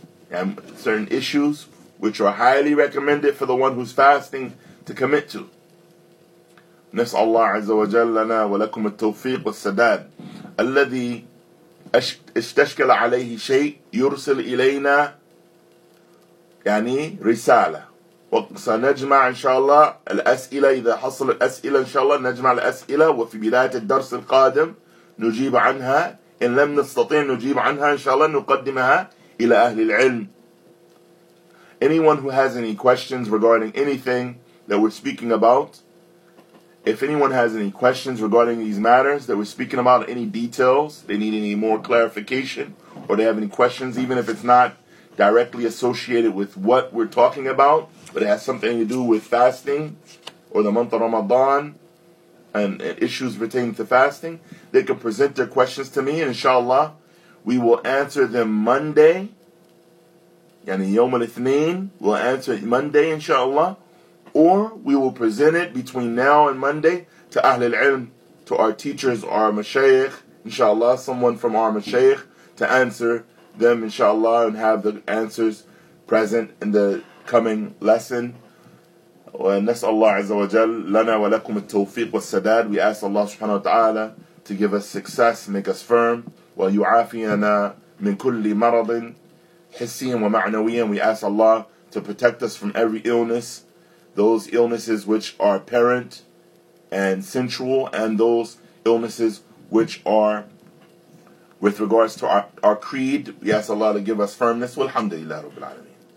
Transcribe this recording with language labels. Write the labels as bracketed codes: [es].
[en] And certain issues which are highly recommended for the one who's fasting to commit to. [ar] نسأل الله عز وجل لنا ولكم التوفيق والسداد. الذي استشكل عليه شيء يرسل إلينا يعني رسالة وسنجمع إن شاء الله الأسئلة إذا حصل الأسئلة إن شاء الله نجمع الأسئلة وفي بداية الدرس القادم نجيب عنها إن لم نستطيع نجيب عنها إن شاء الله نقدمها إلى أهل العلم. [en] Anyone who has any questions regarding anything that we're speaking about, if anyone has any questions regarding these matters that we're speaking about, any details, they need any more clarification, or they have any questions, even if it's not directly associated with what we're talking about, but it has something to do with fasting, or the month of Ramadan, and issues pertaining to fasting, they can present their questions to me, and inshallah, we will answer them Monday, [ar] yani yawm al-ithneen, [en] we'll answer it Monday, inshallah. Or we will present it between now and Monday to Ahlul Ilm, to our teachers, our mashayikh, inshallah, someone from our mashayikh, to answer them, inshallah, and have the answers present in the coming lesson. [ar] ونسأل الله عز وجل لنا ولكم التوفيق والسداد. [en] We ask Allah subhanahu wa ta'ala to give us success, make us firm. [ar] ويعافينا من كل مرض. حسيا ومعنويا. [en] We ask Allah to protect us from every illness, those illnesses which are apparent and sensual, and those illnesses which are with regards to our creed. We ask Allah to give us firmness. [ar] Walhamdulillah Rabbil Alameen.